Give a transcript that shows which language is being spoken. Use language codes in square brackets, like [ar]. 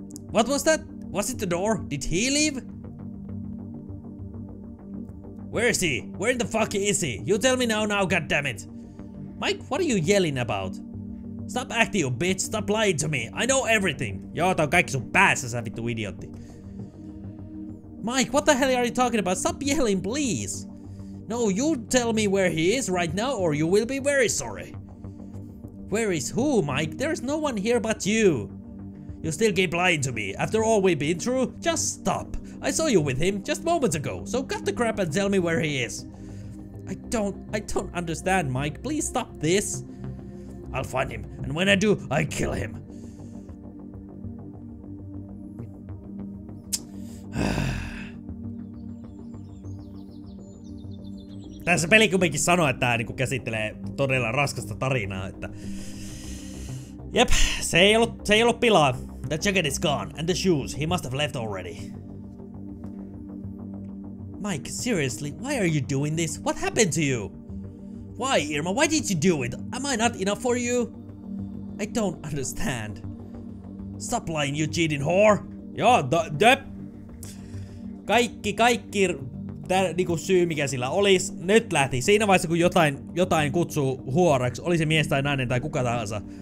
[en] What was that? Was it the door? Did he leave? Where is he? Where in the fuck is he? You tell me now, goddammit! Mike, what are you yelling about? Stop acting, you bitch! Stop lying to me! I know everything! [fi] Joo, tää on kaikki sun päässä, sä vittu idiotti! [en] Mike, what the hell are you talking about? Stop yelling, please! No, you tell me where he is right now or you will be very sorry! Where is who, Mike? There is no one here but you! You still keep lying to me. After all we've been through, just stop! I saw you with him just moments ago, so cut the crap and tell me where he is. I don't understand, Mike. Please stop this. I'll find him, and when I do, I kill him. [fi] Tässä peli kumminkin sanoo, että tää niinku käsittelee todella raskasta tarinaa, että... Jep, se ei ollut pilaa. [en] The jacket is gone, and the shoes. He must have left already. Mike, seriously, why are you doing this? What happened to you? Why, Irma, why did you do it? Am I not enough for you? I don't understand. Stop lying, you cheating whore! [fi] Joo, yep. Kaikki, tää niinku syy mikä sillä olis, nyt lähti. Siinä vaiheessa kun jotain kutsuu huoreksi, oli se mies tai nainen tai kuka tahansa.